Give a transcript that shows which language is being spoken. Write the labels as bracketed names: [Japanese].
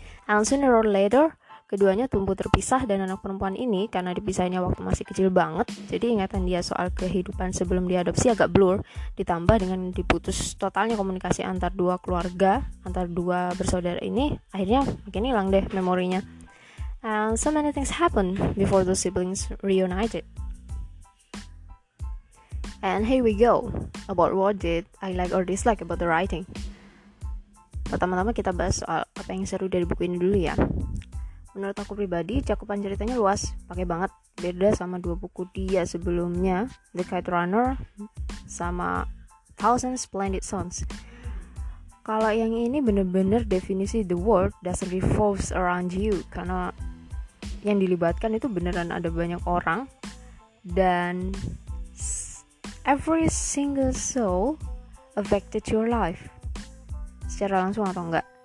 [English] And sooner or later [Indonesian] keduanya tumbuh terpisah dan anak perempuan ini karena dipisahnya waktu masih kecil banget, jadi ingatan dia soal kehidupan sebelum diadopsi agak blur, ditambah dengan diputus totalnya komunikasi antar dua keluarga, antar dua bersaudara ini, akhirnya makin hilang deh memorinya. [English] And so many things happen before the siblings reunited. And here we go, about what did I like or dislike about the writing. [Indonesian] Pertama-tama kita bahas soal apa yang seru dari buku ini dulu ya. Menurut aku pribadi, cakupan ceritanya luas, pakai banget. Beda sama dua buku dia sebelumnya, The Kite Runner sama Thousand Splendid Sons. Kalau yang ini benar-benar definisi [English] the world doesn't revolves around you, [Indonesian] karena yang dilibatkan itu beneran ada banyak orang dan [English] every single soul affected your life [Indonesian] secara langsung atau enggak.